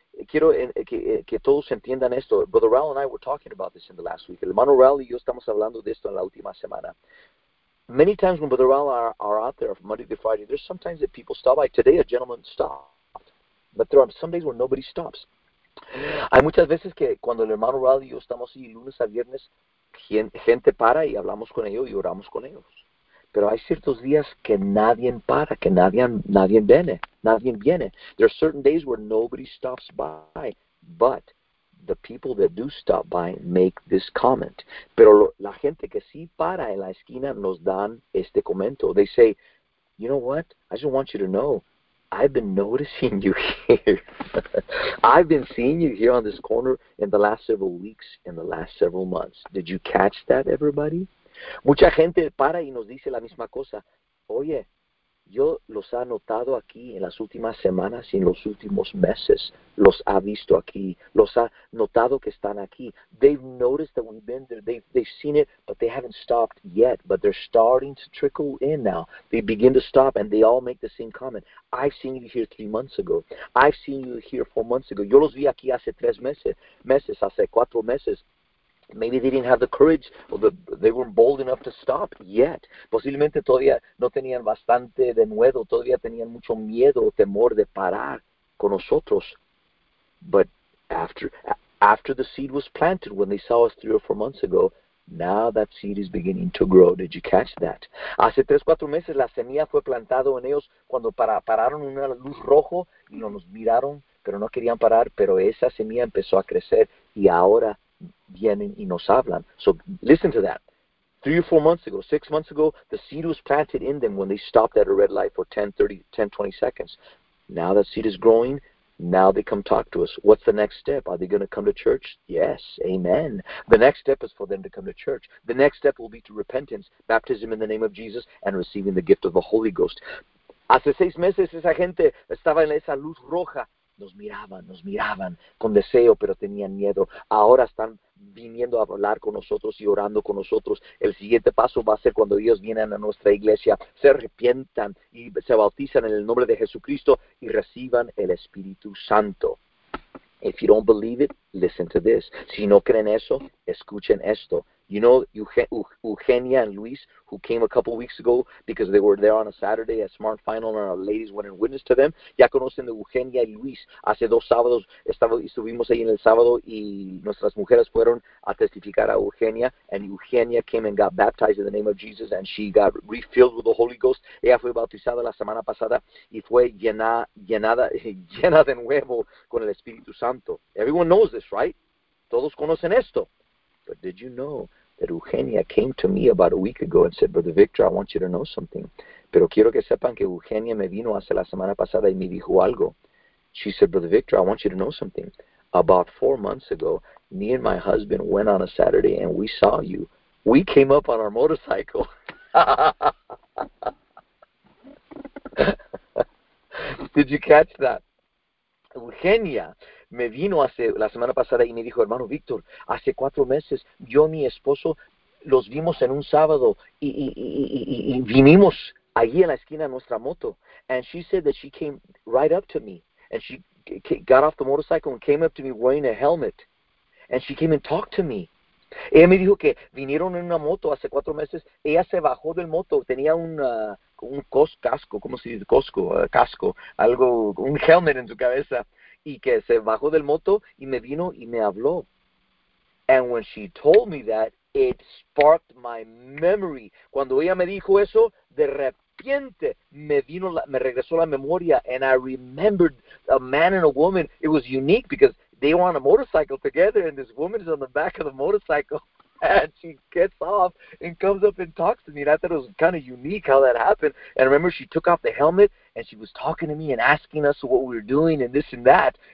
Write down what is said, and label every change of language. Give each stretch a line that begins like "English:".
Spanish: Quiero que todos entiendan esto.
English: Brother Raul and I were talking about this in the last week.
Spanish: El hermano Raul y yo estamos hablando de esto en la última semana.
English: many times when Brother Rala are out there from Monday to Friday, there's sometimes that people stop by. Today, a gentleman stopped. But there are some days where nobody stops.
Spanish: Hay muchas veces que cuando el hermano Rala y yo estamos ahí lunes a viernes, gente para y hablamos con ellos y oramos con ellos. Pero hay ciertos días que nadie para, que nadie viene, nadie viene.
English: There are certain days where nobody stops by, but the people that do stop by make this comment.
Spanish: Pero la gente que sí para en la esquina nos dan este comento.
English: They say, you know what? I just want you to know, I've been noticing you here. I've been seeing you here on this corner in the last several weeks, in the last several months. Did you catch that, everybody?
Spanish: Mucha gente para y nos dice la misma cosa. Oye, yo los ha notado aquí en las últimas semanas y en los últimos meses. Los ha visto aquí. Los ha notado que están aquí.
English: They've noticed that we've been there. They've seen it, but they haven't stopped yet. But they're starting to trickle in now. They begin to stop and they all make the same comment. I've seen you here 3 months ago. I've seen you here 4 months ago.
Spanish: Yo los vi aquí hace 3 meses. Meses, hace 4 meses.
English: Maybe they didn't have the courage, or they weren't bold enough to stop yet.
Spanish: Posiblemente todavía no tenían bastante denuedo, todavía tenían mucho miedo o temor de parar con nosotros.
English: But after the seed was planted, when they saw us 3 or 4 months ago, now that seed is beginning to grow. Did you catch that?
Spanish: Hace 3 o 4 meses la semilla fue plantada en ellos cuando pararon una luz rojo y no nos miraron, pero no querían parar, pero esa semilla empezó a crecer y ahora vienen y nos hablan.
English: So listen to that. 3 or 4 months ago, 6 months ago, the seed was planted in them when they stopped at a red light for 10, 20 seconds. Now that seed is growing, now they come talk to us. What's the next step? Are they going to come to church? Yes, amen. The next step is for them to come to church. The next step will be to repentance, baptism in the name of Jesus, and receiving the gift of the Holy Ghost.
Spanish: Hace 6 meses esa gente estaba en esa luz roja. Nos miraban con deseo, pero tenían miedo. Ahora están viniendo a hablar con nosotros y orando con nosotros. El siguiente paso va a ser cuando ellos vienen a nuestra iglesia, se arrepientan y se bautizan en el nombre de Jesucristo y reciban el Espíritu Santo.
English: If you don't believe it, listen to this.
Spanish: Si no creen eso, escuchen esto.
English: You know Eugenia and Luis, who came a couple weeks ago because they were there on a Saturday at Smart Final and our ladies went and witnessed to them.
Spanish: Ya conocen de Eugenia y Luis. Hace 2 sábados estuvimos ahí en el sábado y nuestras mujeres fueron a testificar a Eugenia.
English: And Eugenia came and got baptized in the name of Jesus and she got refilled with the Holy Ghost.
Spanish: Ella fue bautizada la semana pasada y fue llena de nuevo con el Espíritu Santo.
English: Everyone knows this, right?
Spanish: Todos conocen esto.
English: But did you know that Eugenia came to me about a week ago and said, Brother Victor, I want you to know something.
Spanish: Pero quiero que sepan que Eugenia me vino hace la semana pasada y me dijo algo.
English: She said, Brother Victor, I want you to know something. About 4 months ago, me and my husband went on a Saturday and we saw you. We came up on our motorcycle. Did you catch that?
Spanish: Eugenia me vino hace la semana pasada y me dijo, hermano Víctor, hace 4 meses yo y mi esposo los vimos en un sábado y vinimos allí en la esquina de nuestra moto.
English: And she said that she came right up to me and she got off the motorcycle and came up to me wearing a helmet. And she came and talked to me.
Spanish: Ella me dijo que vinieron en una moto hace 4 meses. Ella se bajó del moto, tenía un helmet en su cabeza. Y que se bajó del moto y me vino y me habló.
English: And when she told me that, it sparked my memory.
Spanish: Cuando ella me dijo eso, de repente me regresó la memoria.
English: And I remembered a man and a woman. It was unique because they were on a motorcycle together and this woman is on the back of the motorcycle. And she gets off and comes up and talks to me. And I thought it was kind of unique how that happened. And I remember she took off the helmet and she was talking to me and asking us what we were doing and this and that.